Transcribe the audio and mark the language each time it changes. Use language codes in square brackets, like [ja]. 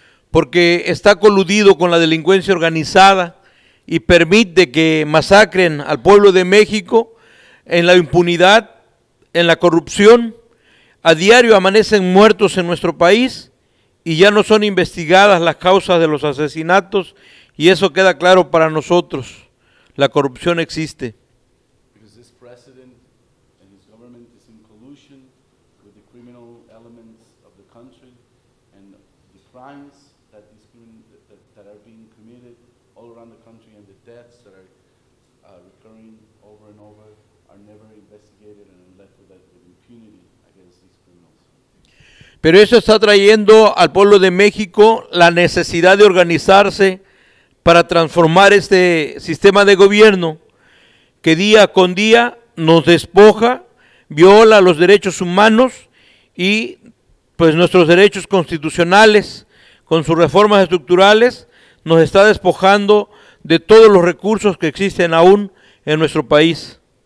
[es] Porque está coludido con la delincuencia organizada y permite que masacren al pueblo de México en la impunidad, en la corrupción. A diario amanecen muertos en nuestro país y ya no son investigadas las causas de los asesinatos Y eso queda claro para nosotros. La corrupción existe. [en] Because this president and his government is in collusion with the criminal elements of the country and the crimes that that are being committed all around the country and the deaths that are recurring over and over are never investigated and left with impunity against these criminals. [es] Pero eso está trayendo al pueblo de México la necesidad de organizarse para transformar este sistema de gobierno que día con día nos despoja, viola los derechos humanos y pues nuestros derechos constitucionales con sus reformas estructurales nos está despojando de todos los recursos que existen aún en nuestro país.